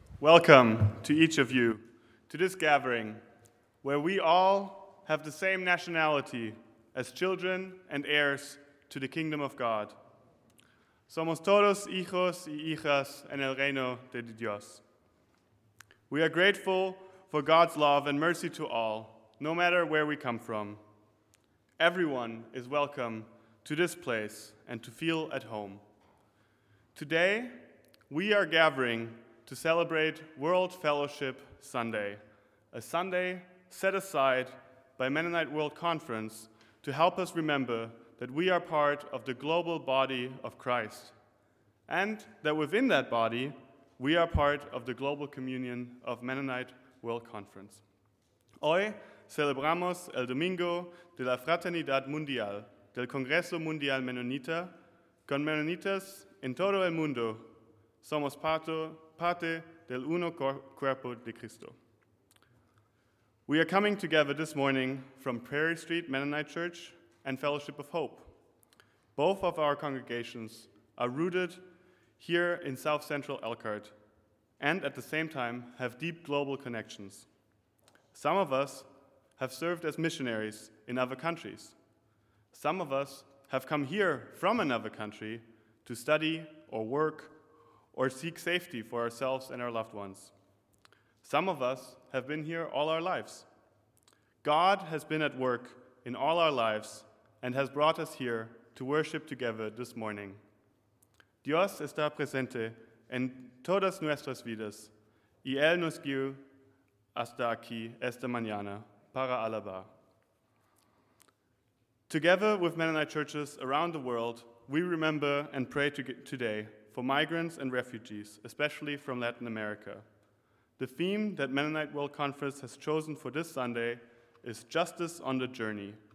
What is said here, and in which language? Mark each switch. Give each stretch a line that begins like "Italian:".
English: Welcome to each of you to this gathering where we all have the same nationality as children and heirs to the kingdom of God.
Spanish: Somos todos hijos y hijas en el reino de Dios.
English: We are grateful for God's love and mercy to all, no matter where we come from. Everyone is welcome to this place and to feel at home. Today, we are gathering to celebrate World Fellowship Sunday, a Sunday set aside by Mennonite World Conference to help us remember that we are part of the global body of Christ, and that within that body, we are part of the global communion of Mennonite World Conference.
Spanish: Hoy celebramos el Domingo de la Fraternidad Mundial del Congreso Mundial Mennonita con Mennonitas en todo el mundo. Somos parte del uno cuerpo de Cristo.
English: We are coming together this morning from Prairie Street Mennonite Church and Fellowship of Hope. Both of our congregations are rooted here in South Central Elkhart and at the same time have deep global connections. Some of us have served as missionaries in other countries. Some of us have come here from another country to study or work or seek safety for ourselves and our loved ones. Some of us have been here all our lives. God has been at work in all our lives and has brought us here to worship together this morning.
Spanish: Dios está presente en todas nuestras vidas y Él nos guió hasta aquí esta mañana para alabar.
English: Together with Mennonite churches around the world, we remember and pray today for migrants and refugees, especially from Latin America. The theme that Mennonite World Conference has chosen for this Sunday is Justice on the Journey.